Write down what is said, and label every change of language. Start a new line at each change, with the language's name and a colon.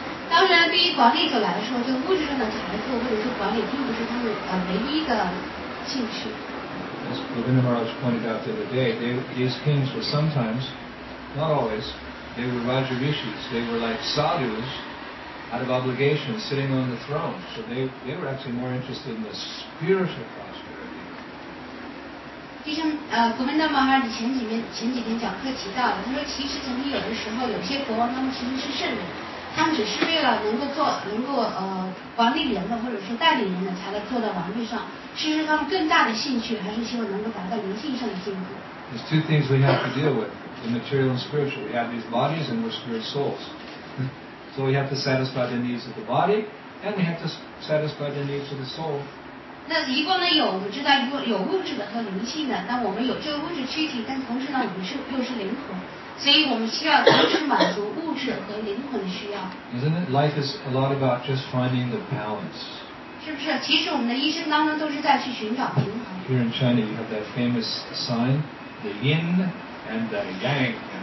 Chinese: 当然对于管理者来说就物质上的财富或者说管理并不是他们唯一的兴趣
English: As Govinda Maharaj pointed out the other day these kings were sometimes not always they were Rajarishis they were like sadhus out of obligation, sitting on the throne. So they were actually more interested in the spiritual prosperity.
Chinese: 就像Govinda Maharaj 前几天讲课提到了，他说其实曾经有的时候，有些国王他们其实是圣人，他们只是为了能够管理人的或者说代理人的才来坐到王位上。其实他们更大的兴趣还是希望能够达到灵性上的进步。
English: There's two things we have to deal with, the material and spiritual. We have these bodies and we're spirit souls. So we have to satisfy the needs of the body, and we have to satisfy the needs of the soul.
Chinese: 那一共呢有我们知道有物质的和灵性的，那我们有这个物质躯体，但同时呢我们又是灵魂，所以我们需要同时满足物质和灵魂的需要。
English: Isn't it? Life is a lot about just finding the balance.
Chinese: 是不是？其实我们的一生当中都是在去寻找平衡。
English: Here in China, you have that famous sign, the yin and the yang.